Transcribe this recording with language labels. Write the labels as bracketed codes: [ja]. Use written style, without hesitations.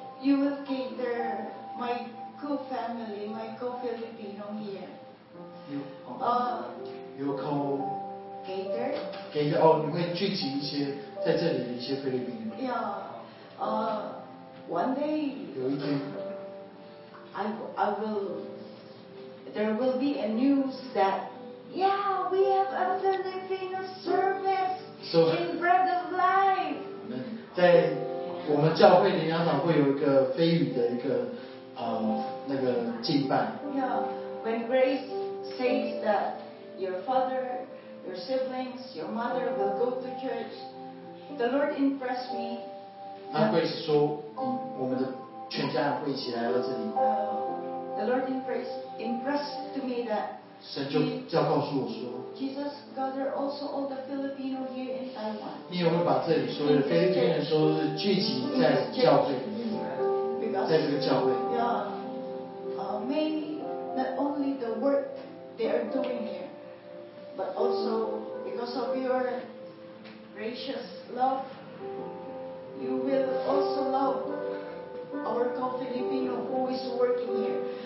[en] You will cater my co-family, my co-Filipino here. You will cater. Cater. [zh] 你会聚集一些在这里的一些菲律宾人。 [en] Yeah. One day. [zh] 有一天。 [en] I will. There will be a news that. Yeah, we have a Filipino service. So. In Bread of Life. [zh] 在。我们教会联想堂会有一个菲语的一个那个敬拜。 [en] Yeah, when Grace says that your father, your siblings, your mother will go to church, the Lord impressed me. [zh] 那 Grace 说，我们的全家人会一起来到这里。 [en] The Lord impressed to me that. [zh] 神就要告诉我说。 [en] Jesus gathered also all the Filipino here in Taiwan. [zh] 你也会把这里所有的菲律宾人说是聚集在教会里面，在这个教会。 [en] Yeah. May not only the work they are doing here, but also because of your gracious love, you will also love our co-Filipino who is working here.